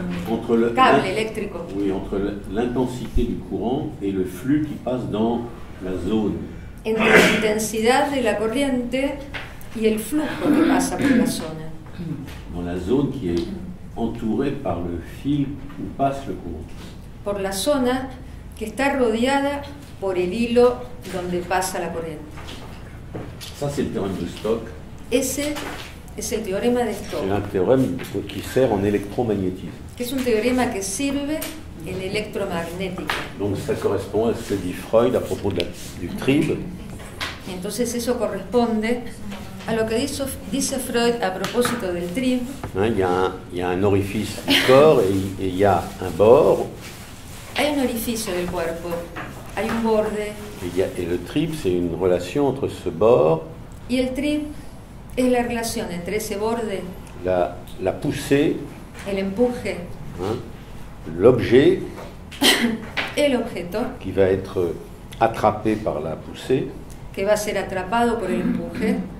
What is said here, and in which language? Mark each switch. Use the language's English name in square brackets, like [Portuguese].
[French] entre le câble électrique. Oui, entre l'intensité du courant et le flux qui passe dans la zone. [Spanish] Entre la intensidad de la corriente y el flujo que pasa por la zona. [French] Dans la zone qui est entourée par le fil où passe le courant. [Spanish] Por la zona que está rodeada por el hilo donde pasa la corriente. [French] Ça c'est le théorème de Stock. [Spanish] Ese es el teorema de Stock. [French] C'est un théorème qui sert en électromagnétisme. [Spanish] Que es un teorema que sirve en electromagnética. [French] Donc ça correspond à ce que dit Freud à propos du trib. [Spanish] Entonces eso corresponde a lo que dice Freud a propósito del trib. [French] Il y a un orifice du corps et il y a un bord. [Spanish] Hay un orificio del cuerpo. Hay un borde. [French] Et le trib c'est une relation entre ce bord. [Spanish] Y el trib es la relación entre ese borde. [French] La poussée. [Spanish] El empuje. [French] L'objet. [Spanish] Et l'objeto. [French] Qui va être attrapé par la poussée. [Spanish] Que va a ser atrapado por el empuje.